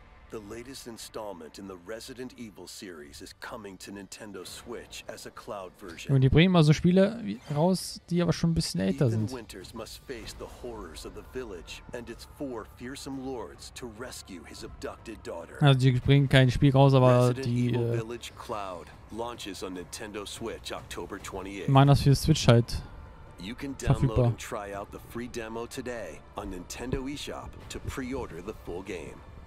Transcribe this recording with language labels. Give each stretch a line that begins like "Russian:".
English: The latest installment in the Resident Evil series is coming to Nintendo Switch as a cloud version.
German: Und die bringen mal so Spiele raus, die aber schon ein bisschen älter sind.
English: Ethan Winters must face the horrors of the village and its four fearsome lords to rescue his abducted daughter.
German: Also die bringen kein Spiel raus, aber
English: Resident
German: die
English: Evil Village Cloud launches on Nintendo Switch October 28th.
German: Meiner ist für Switch halt.
English: You can download and try out the free demo today on Nintendo eShop to pre-order the full game.